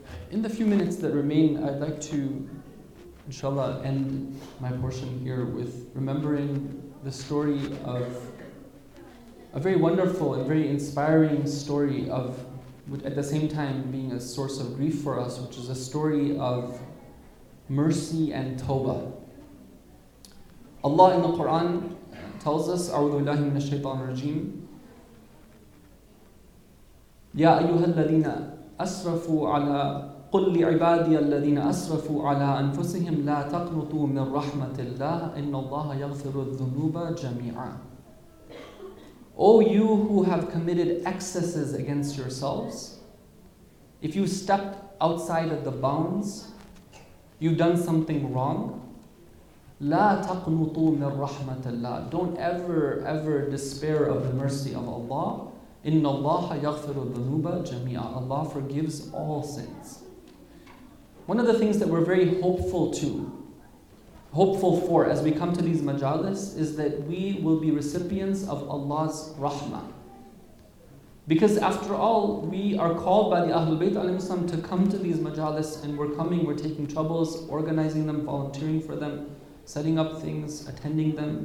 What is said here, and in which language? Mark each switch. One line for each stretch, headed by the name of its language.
English: In the few minutes that remain, I'd like to, inshallah, end my portion here with remembering the story of a very wonderful and very inspiring story of, at the same time being a source of grief for us, which is a story of mercy and tawbah. Allah in the Quran tells us,
Arabic: أعوذ بالله من الشيطان الرجيم, يا أيها الذين أسرفوا على قل لعبادي الذين أسرفوا على أنفسهم لا تقنطوا من رحمة الله إن الله يغفر الذنوب جميعا.
English: O you who have committed excesses against yourselves, if you step outside of the bounds, you've done something wrong,
Arabic: لا تقنطوا من رحمة الله.
English: Don't ever despair of the mercy of Allah.
Arabic: إن الله يغفر الذنوب جميعا.
English: Allah forgives all sins. One of the things that we're very hopeful for as we come to these majalis is that we will be recipients of Allah's rahmah. Because after all, we are called by the Ahlul Bayt alayhi salam to come to these majalis, and we're coming, we're taking troubles, organizing them, volunteering for them, setting up things, attending them.